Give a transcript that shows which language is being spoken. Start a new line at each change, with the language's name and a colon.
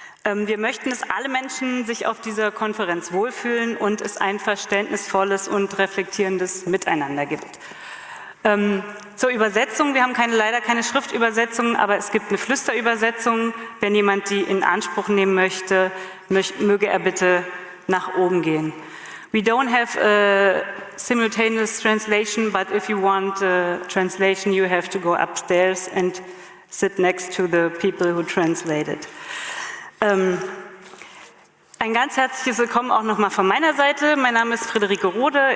German: Wir möchten, dass alle Menschen sich auf dieser Konferenz wohlfühlen und es ein verständnisvolles und reflektierendes Miteinander gibt. Zur Übersetzung, wir haben leider keine Schriftübersetzung, aber es gibt eine Flüsterübersetzung. Wenn jemand die in Anspruch nehmen möchte, möge er bitte nach oben gehen.
English: We don't have a simultaneous translation, but if you want a translation, you have to go upstairs and sit next to the people who translate it.
German: Ein ganz herzliches Willkommen auch nochmal von meiner Seite. Mein Name ist Friederike Rode.